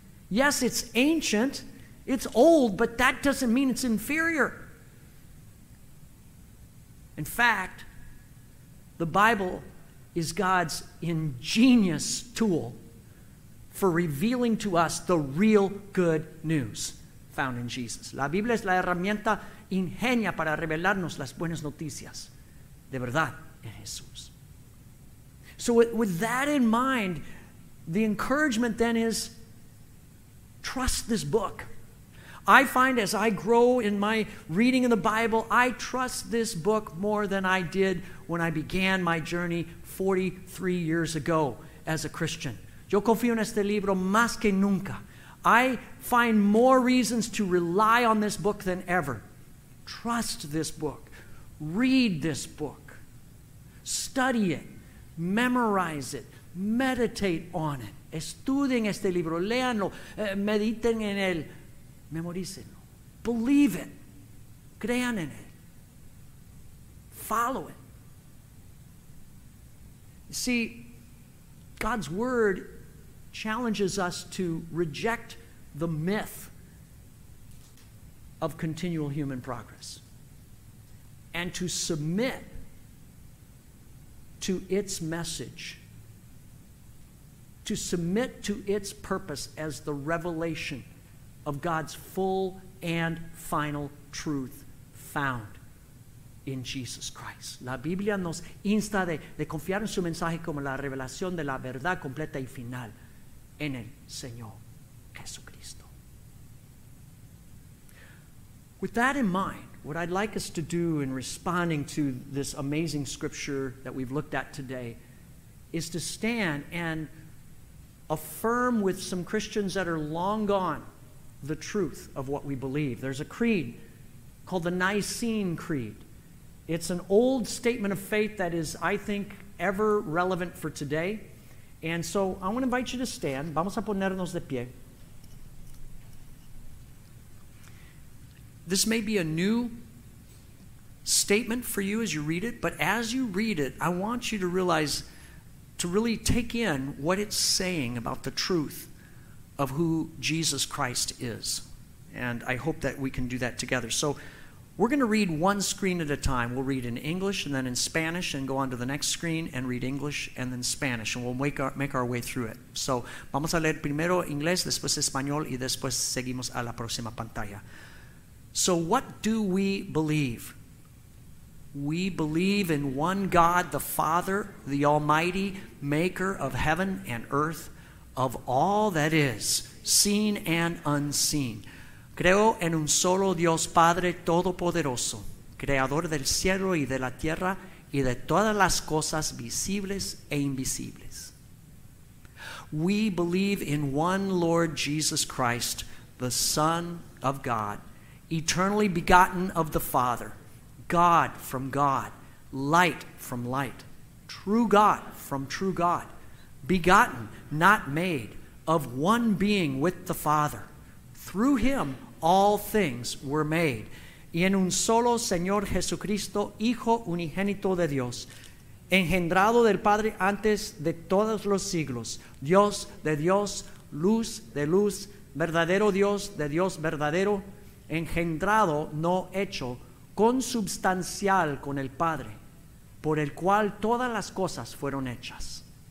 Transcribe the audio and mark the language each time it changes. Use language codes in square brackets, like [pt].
[en] Yes, it's ancient. It's old, but that doesn't mean it's inferior. In fact, the Bible is God's ingenious tool for revealing to us the real good news found in Jesus. [es] La Biblia es la herramienta ingenia para revelarnos las buenas noticias de verdad en Jesús. [en] So with that in mind, the encouragement then is, trust this book. I find as I grow in my reading of the Bible, I trust this book more than I did when I began my journey 43 years ago as a Christian. [es] Yo confío en este libro más que nunca. [en] I find more reasons to rely on this book than ever. Trust this book. Read this book. Study it. Memorize it. Meditate on it. [es] Estudien este libro. Léanlo. Mediten en él. Memorícenlo. [en] Believe it. [es] Crean en él. [en] Follow it. You see, God's word challenges us to reject the myth of continual human progress and to submit to its message, to submit to its purpose as the revelation of God's full and final truth found in Jesus Christ. [es] La Biblia nos insta de confiar en su mensaje como la revelación de la verdad completa y final en el Señor Jesucristo. [en] With that in mind, what I'd like us to do in responding to this amazing scripture that we've looked at today is to stand and affirm with some Christians that are long gone the truth of what we believe. There's a creed called the Nicene Creed. It's an old statement of faith that is, I think, ever relevant for today. And so I want to invite you to stand. [es] Vamos a ponernos de pie. [en] This may be a new statement for you as you read it, but as you read it, I want you to realize, to really take in what it's saying about the truth of who Jesus Christ is. And I hope that we can do that together. So we're going to read one screen at a time. We'll read in English and then in Spanish and go on to the next screen and read English and then Spanish. And we'll make our way through it. [es] So vamos a leer primero inglés, después español y después seguimos a la próxima pantalla. [en] So what do we believe? We believe in one God, the Father, the Almighty, maker of heaven and earth, of all that is, seen and unseen. [es] Creo en un solo Dios Padre Todopoderoso, creador del cielo y de la tierra y de todas las cosas visibles e invisibles. [en] We believe in one Lord Jesus Christ, the Son of God, eternally begotten of the Father, God from God, light from light, true God from true God, begotten, not made, of one being with the Father. Through him all things were made. [es] Y en un solo Señor Jesucristo, Hijo unigénito de Dios, engendrado del Padre antes de todos los siglos, Dios de Dios, luz de luz, verdadero Dios de Dios verdadero, engendrado, no hecho, consubstancial con el Padre, por el cual todas las cosas fueron hechas.